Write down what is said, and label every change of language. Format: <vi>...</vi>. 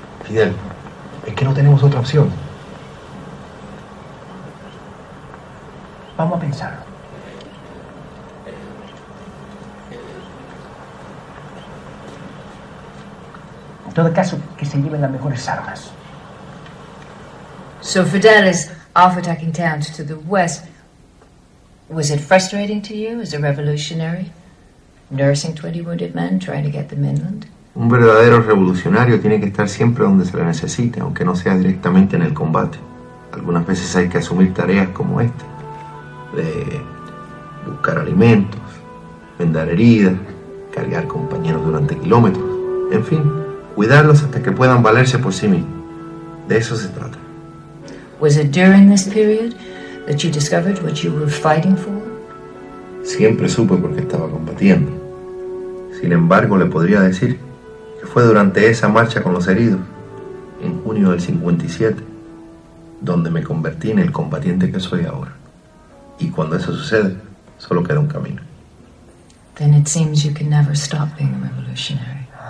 <es>Fidel, es que no tenemos otra opción. Vamos a pensar. En todo caso, que se lleven las mejores armas.</es> <en>So Fidel is off attacking towns to the west. Was it frustrating to you as a revolutionary? Nursing 20 wounded men trying to get them inland?</en> <es>Un verdadero revolucionario tiene que estar siempre donde se le necesite, aunque no sea directamente en el combate. Algunas veces hay que asumir tareas como esta, de buscar alimentos, vendar heridas, cargar compañeros durante kilómetros, en fin, cuidarlos hasta que puedan valerse por sí mismos. De eso se trata.</es> <en>Was it during this period that you discovered what you were fighting for?</en> <es>Siempre supe por qué estaba combatiendo. Sin embargo, le podría decir que fue durante esa marcha con los heridos, en junio del 57, donde me convertí en el combatiente que soy ahora. Y cuando eso sucede, solo queda un camino.</es> <en>Then it seems you can never stop being a revolutionary.</en>